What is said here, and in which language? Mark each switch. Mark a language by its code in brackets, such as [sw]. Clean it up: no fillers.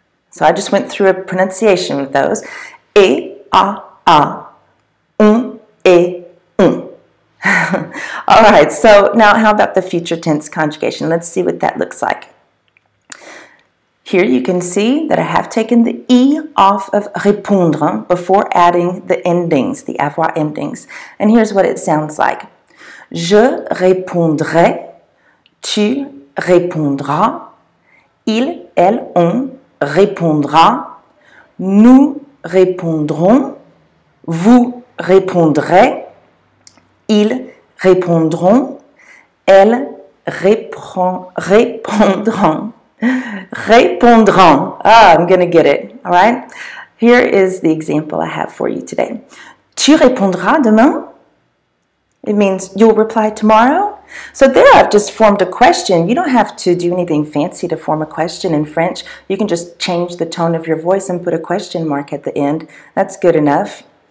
[en] So I just went through a pronunciation of those. E, A, A, N, E, N. All right, so now how about the future tense conjugation? Let's see what that looks like. Here you can see that I have taken the E off of répondre before adding the endings, the avoir endings. And here's what it sounds like. [fr] Je répondrai, tu répondras, il, elle, on répondra, nous répondrons, vous répondrez, ils répondront, elles répondront. [en] Ah, I'm gonna get it, all right? Here is the example I have for you today. [fr] Tu répondras demain? [en] It means you'll reply tomorrow. So there I've just formed a question. You don't have to do anything fancy to form a question in French. You can just change the tone of your voice and put a question mark at the end. That's good enough.